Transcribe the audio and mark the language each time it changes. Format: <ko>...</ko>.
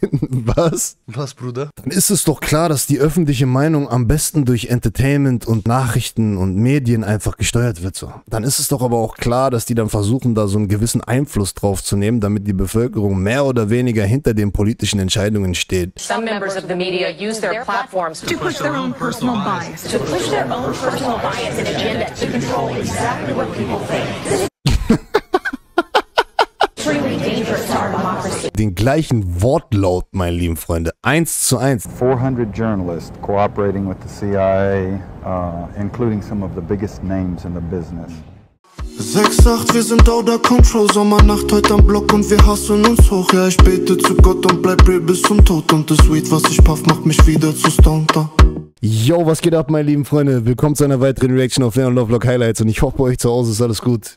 <de>Was? Was, Bruder? Dann ist es doch klar, dass die öffentliche Meinung am besten durch Entertainment und Nachrichten und Medien einfach gesteuert wird. So. Dann ist es doch aber auch klar, dass die dann versuchen, da so einen gewissen Einfluss drauf zu nehmen, damit die Bevölkerung mehr oder weniger hinter den politischen Entscheidungen steht.</de> <en>Some members of the media use their platforms to push their own personal bias. To push their own personal bias and agenda to control exactly what people think.</en> <de>Den gleichen Wortlaut, meine lieben Freunde, 1:1.</de> <en>400 journalists cooperating with the CIA, including some of the biggest names in the business.</en> <de>6-8, wir sind</de> <en>out of control,</en> <de>Sommernacht heute am Block und wir hasseln uns hoch. Ja, ich bete zu Gott und bleib real bis zum Tod. Und das Weed, was ich puff, macht mich wieder zu Stunter. Yo, was geht ab, meine lieben Freunde? Willkommen zu einer weiteren Reaction auf Leon Love Vlog Highlights und ich hoffe, bei euch zu Hause ist alles gut.</de>